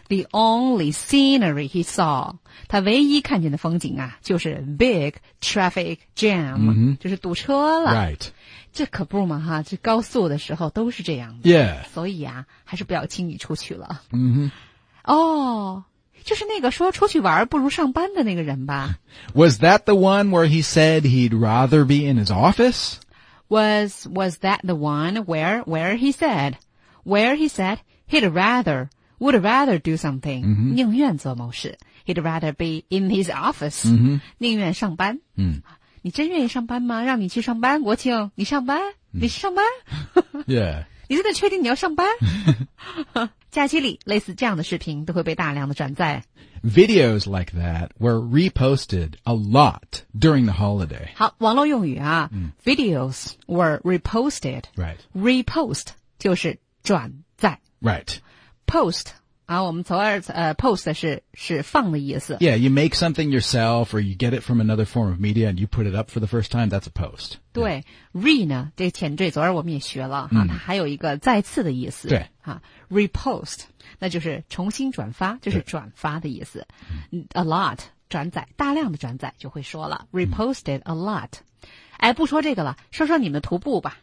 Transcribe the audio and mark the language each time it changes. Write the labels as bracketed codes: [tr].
[en] The only scenery he saw. [zh] 他唯一看见的风景啊，就是 [en] big traffic jam. Mm-hmm. [zh] 就是堵车了。 [en] Right. [zh] 这可不嘛哈，这高速的时候都是这样的。 [en] Yeah. [zh] 所以啊，还是不要轻易出去了。 Mm-hmm. 哦、oh. 就是那个说出去玩不如上班的那个人吧。 [en] Was that the one where he said he'd rather be in his office? Was that the one where he said, where he said he'd rather, would rather do something,、 mm-hmm. [zh] 宁愿做某事。 [en] He'd rather be in his office,、 mm-hmm. [zh] 宁愿上班。嗯、mm-hmm. ，你真愿意上班吗？让你去上班，国庆，你上班？你上班、 [en] mm-hmm. ？Yeah. [zh] 你真的确定你要上班？假期里，类似这样的视频都会被大量的转载。 [en] Videos like that were reposted a lot during the holiday. [zh] 好，网络用语啊、嗯、， [en] videos were reposted. Right. [zh] Repost 就是转载。 [en] Right. [zh] Post 啊，我们从而post 是放的意思。 [en] Yeah, you make something yourself, or you get it from another form of media, and you put it up for the first time. That's a post. [zh] 对、yeah. ，re 呢？这个前缀，昨儿我们也学了、mm. 哈，它还有一个再次的意思。对，哈 ，repost 那就是重新转发，就是转发的意思。 A lot 转载，大量的转载就会说了 [en] reposted a lot。 [zh] 哎，不说这个了，说说你们的徒步吧。